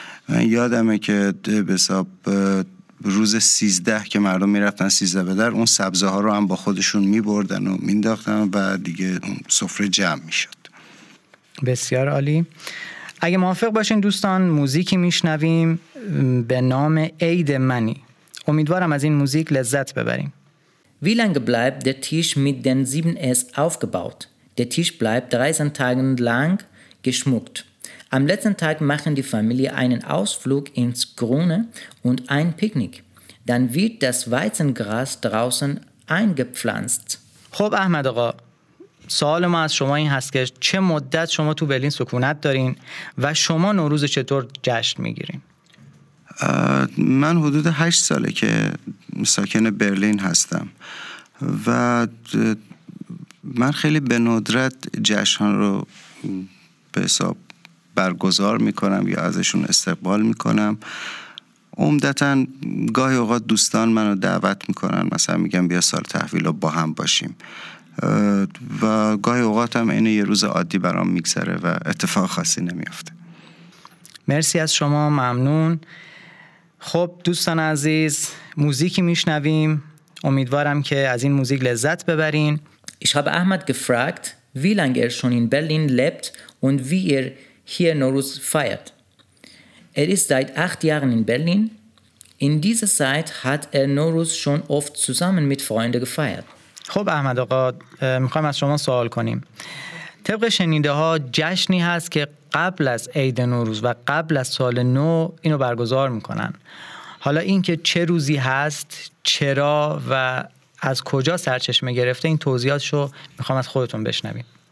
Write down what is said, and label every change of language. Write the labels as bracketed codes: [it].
[fa] من یادمه که به حساب روز 13 که مردم میرفتن 13 به در، اون سبزه ها رو هم با خودشون میبردن و مینداختن و دیگه اون سفره جمع میشد. بسیار عالی. اگه موافق باشین دوستان، موزیکی میشنویم به نام عید منی. امیدوارم از این موزیک لذت ببریم. [de] Wie lange bleibt der Tisch mit den sieben S aufgebaut? Der Tisch bleibt 13 Tage lang geschmückt. Am letzten Tag machen die Familie einen Ausflug ins Grüne und ein Picknick. Dann wird das Weizengras draußen eingepflanzt. [fa] خب احمد آقا، سوال ما از شما این هست که چه مدت شما تو برلین سکونت دارین و شما نوروز چطور جشن میگیرین؟ من حدود 8 ساله که ساکن برلین هستم و من خیلی به ندرت جشن رو به حساب برگزار میکنم یا ازشون استقبال میکنم. عمدتاً گاهی اوقات دوستان منو دعوت میکنن، مثلا میگم بیا سال تحویل رو با هم باشیم و گاهی اوقات هم اینه یه روز عادی برام میگذره و اتفاق خاصی نمیافته. مرسی از شما، ممنون. خب دوستان عزیز، موزیکی میشنویم، امیدوارم که از این موزیک لذت ببرین. [de] Ich habe Ahmed gefragt, wie lange schon in Berlin lebt und wie hier Nowruz feiert. Ist seit 8 Jahren in Berlin. In dieser Zeit hat Nowruz schon oft zusammen mit Freunden gefeiert. [fa] خب احمد آقا، میخوایم از شما سوال کنیم. طبق شنیده ها جشنی هست که قبل از عید نوروز و قبل از سال نو اینو برگزار میکنن. حالا این که چه روزی هست، چرا و از کجا سرچشمه گرفته، این توضیحاتشو میخوام از خودتون بشنویم.